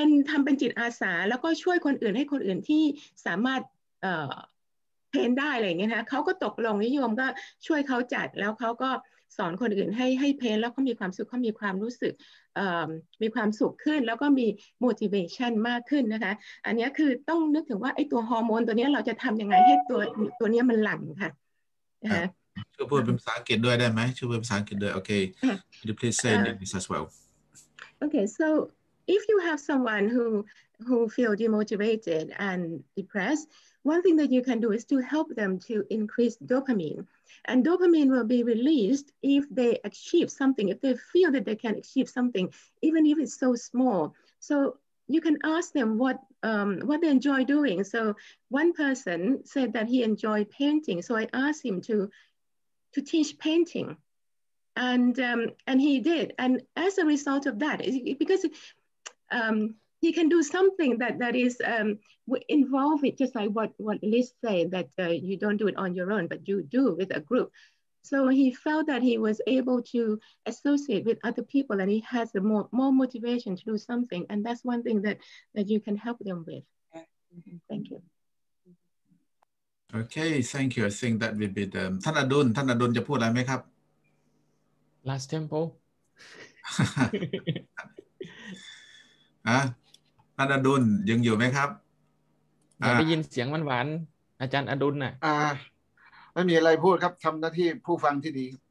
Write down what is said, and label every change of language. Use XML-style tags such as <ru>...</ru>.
<th>ทำเป็นจิตอาสาแล้วก็ช่วยคนอื่นให้คนอื่นที่สามารถเพ้นท์ได้อะไรเงี้ยนะเขาก็ตกลงนิยมก็ช่วยเขาจัดแล้วเขาก็สอนคนอื่นให้เพ้นท์แล้วเขามีความสุขเขามีความรู้สึกมีความสุขขึ้นแล้วก็มี motivation มากขึ้นนะคะอันนี้คือต้องนึกถึงว่าไอ้ตัวฮอร์โมนตัวนี้เราจะทำยังไงให้ตัวนี้มันหลั่งค่ะ ช่วยพูดเป็นภาษาอังกฤษด้วยได้ไหมช่วยพูดภาษาอังกฤษด้วยโอเค</th> <en>you please say in English as well okay so if you have someone who feel demotivated and depressed one thing that you can do is to help them to increase dopamine and dopamine will be released if they achieve something if they feel that they can achieve something even if it's so small so you can ask them what they enjoy doing. So one person said that he enjoyed painting. So I asked him to teach painting and he did. And as a result of that, because he can do something that is involved with just like what Liz said that you don't do it on your own, but you do with a group. So he felt that he was able to associate with other people and he has a more motivation to do something. And that's one thing that you can help them with. Thank you. Okay, thank you. I think that will be the...</en> <th>ท่านอดุลจะพูดอะไรไหมครับ</th> <en>Last tempo.</en> <th>ท่านอดุลยังอยู่ไหมครับ อยากได้ยินเสียงหวานๆอาจารย์อดุลน่ะ ไม่มีอะไรพูดครับทำหน้าที่ผู้ฟังที่ดี</th>